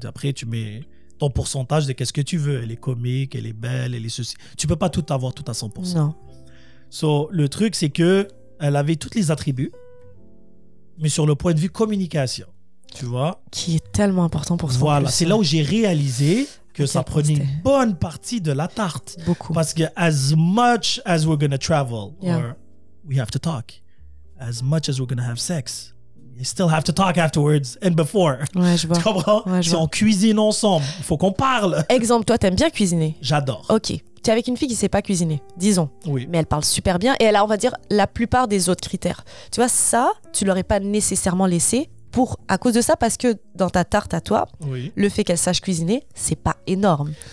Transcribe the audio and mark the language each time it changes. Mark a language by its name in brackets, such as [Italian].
[French] Après, tu mets ton pourcentage de qu'est-ce que tu veux. Elle est comique, elle est belle, elle est ceci. Tu peux pas tout avoir tout à 100%. Non. So, le truc, c'est qu'elle avait tous les attributs, mais sur le point de vue communication, tu vois? Qui est tellement important pour toi. Voilà, c'est là où j'ai réalisé que ça prenait une bonne partie de la tarte. Beaucoup. Parce que [English] as much as we're gonna travel, or we have to talk, as much as we're gonna have sex, you still have to talk afterwards and before. [French] Ouais, je vois. Tu comprends? Ouais, si on cuisine ensemble, il faut qu'on parle. Exemple, toi, t'aimes bien cuisiner. J'adore. Ok. Tu es avec une fille qui sait pas cuisiner, disons. Oui. Mais elle parle super bien et elle a, on va dire, la plupart des autres critères. Tu vois, ça, tu l'aurais pas nécessairement laissé à cause de ça, parce que dans ta tarte à toi, le fait qu'elle sache cuisiner, c'est pas énorme.